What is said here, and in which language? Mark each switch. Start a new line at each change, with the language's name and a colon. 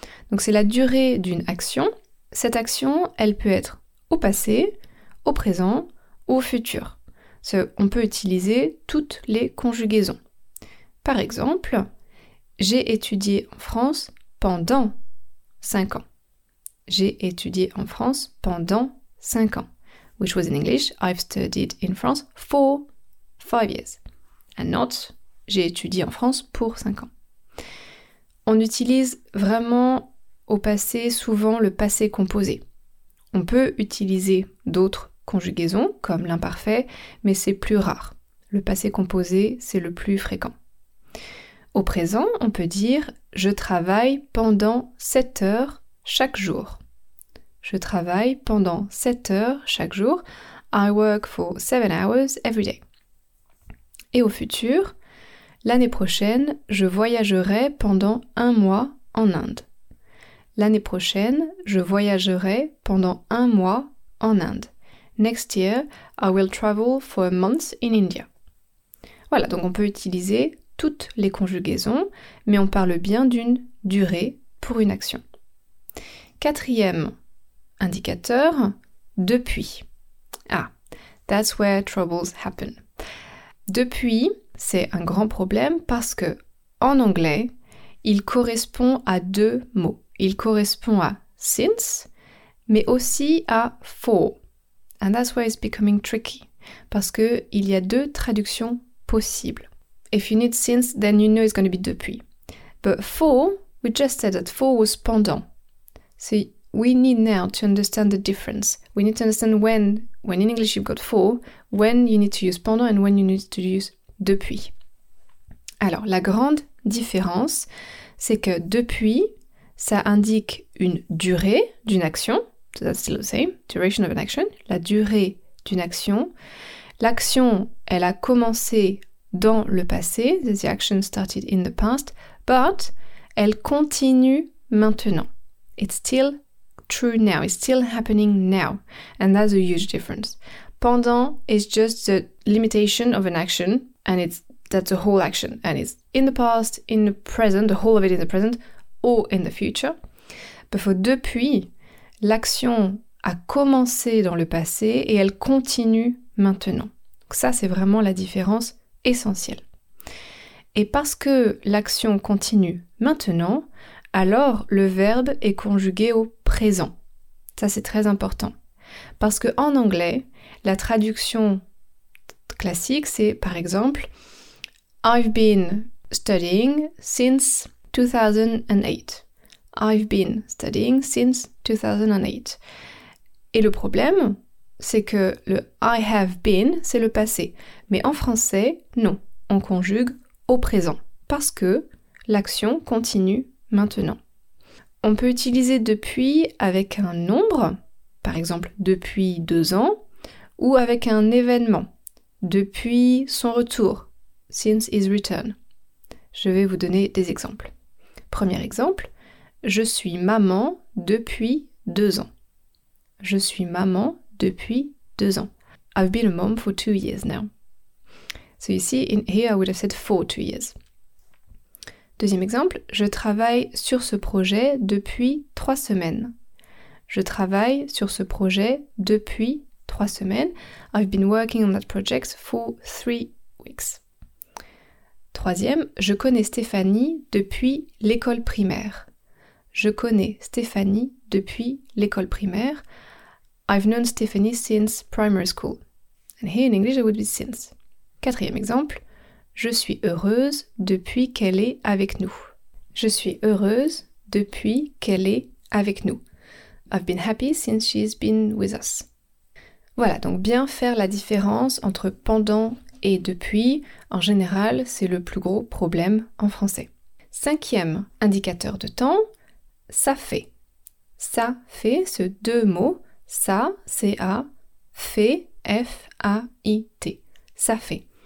French: Donc c'est la durée d'une action. Cette action, elle peut être au passé, au présent, au futur.
English: So
French: on peut utiliser toutes les conjugaisons. Par exemple, j'ai étudié en France pendant 5 ans. J'ai étudié en France pendant 5 ans.
English: Which was in English, I've studied in France for 5 years. And not,
French: j'ai étudié en France pour 5 ans. On utilise vraiment au passé souvent le passé composé. On peut utiliser d'autres conjugaisons comme l'imparfait, mais c'est plus rare. Le passé composé, c'est le plus fréquent. Au présent, on peut dire je travaille pendant 7 heures chaque jour. Je travaille pendant 7 heures chaque jour.
English: I work for 7 hours every day.
French: Et au futur, l'année prochaine, je voyagerai pendant 1 mois en Inde. L'année prochaine, je voyagerai pendant 1 mois en Inde.
English: Next year, I will travel for a month in India.
French: Voilà, donc on peut utiliser toutes les conjugaisons, mais on parle bien d'une durée pour une action. Quatrième indicateur, depuis.
English: Ah, that's where troubles happen.
French: Depuis, c'est un grand problème parce que en anglais, il correspond à 2 mots. Il correspond à since, mais aussi à for.
English: And that's why it's becoming tricky.
French: Parce que il y a 2 traductions possibles.
English: If you need since, then you know it's going to be depuis. But for, we just said that for was pendant. So we need now to understand the difference. We need to understand when in English you've got for, when you need to use pendant and when you need to use depuis.
French: Alors, la grande différence, c'est que depuis, ça indique une durée d'une action.
English: So that's still the same, duration of an action.
French: La durée d'une action. L'action, elle a commencé dans le passé.
English: The action started in the past. But,
French: elle continue maintenant.
English: It's still true now. It's still happening now. And that's a huge difference. Pendant is just the limitation of an action. And it's that's a whole action. And it's in the past, in the present, the whole of it in the present, or in the future. But for
French: depuis, l'action a commencé dans le passé et elle continue maintenant. Donc ça, c'est vraiment la différence essentielle. Et parce que l'action continue maintenant, alors le verbe est conjugué au présent. Ça, c'est très important. Parce que en anglais, la traduction classique, c'est par exemple «
English: I've been studying since 2008 ». I've been studying since 2008.
French: Et le problème, c'est que le I have been, c'est le passé. Mais en français, non, on conjugue au présent. Parce que l'action continue maintenant. On peut utiliser depuis avec un nombre, par exemple depuis 2 ans, ou avec un événement, depuis son retour,
English: since his return.
French: Je vais vous donner des exemples. Premier exemple. Je suis maman depuis 2 ans. Je suis maman depuis 2 ans.
English: I've been a mom for 2 years now. So you see, in here I would have said for 2 years.
French: Deuxième exemple, je travaille sur ce projet depuis 3 semaines. Je travaille sur ce projet depuis 3 semaines.
English: I've been working on that project for 3 weeks.
French: Troisième, je connais Stéphanie depuis l'école primaire. Je connais Stéphanie depuis l'école primaire.
English: I've known Stéphanie since primary school. And here in English it would be since.
French: Quatrième exemple. Je suis heureuse depuis qu'elle est avec nous. Je suis heureuse depuis qu'elle est avec nous.
English: I've been happy since she's been with us.
French: Voilà, donc bien faire la différence entre pendant et depuis. En général, c'est le plus gros problème en français. Cinquième indicateur de temps. Ça fait. Ça fait, ce deux mots, ça, C-A, fait, F-A-I-T. Ça fait.